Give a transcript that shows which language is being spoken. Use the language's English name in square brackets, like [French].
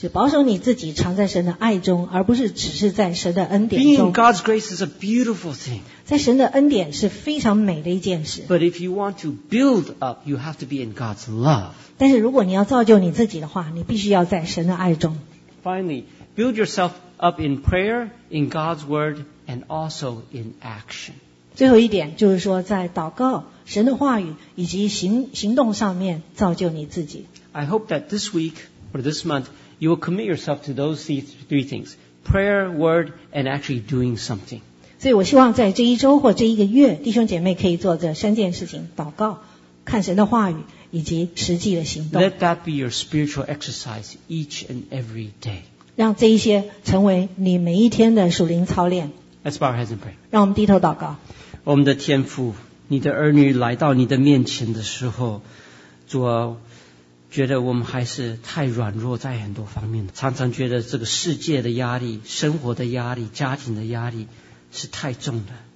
[Chinese] 就保守你自己藏在神的爱中，而不是只是在神的恩典中。 [English] Being in God's grace is a beautiful thing. [Chinese] 在神的恩典是非常美的一件事。 [English] But if you want to build up, you have to be in God's love. [Chinese] 但是如果你要造就你自己的话，你必须要在神的爱中。 [English] Finally, build yourself up in prayer, in God's word, and also in action. [Chinese] 最后一点就是说，在祷告、神的话语以及行动上面造就你自己。 [English] I hope that this week or this month you will commit yourself to those three things: prayer, word, and actually doing something. [Chinese] 所以我希望在这一周或这一个月，弟兄姐妹可以做这三件事情：祷告、看神的话语以及实际的行动。 [English] Let that be your spiritual exercise each and every day. [Chinese] 让这一些成为你每一天的属灵操练。 [English] Let's bow our heads and pray. [Chinese] 让我们低头祷告。我们的天父，你的儿女来到你的面前的时候，主啊，觉得我们还是太软弱，在很多方面常常觉得这个世界的压力、生活的压力、家庭的压力是太重的。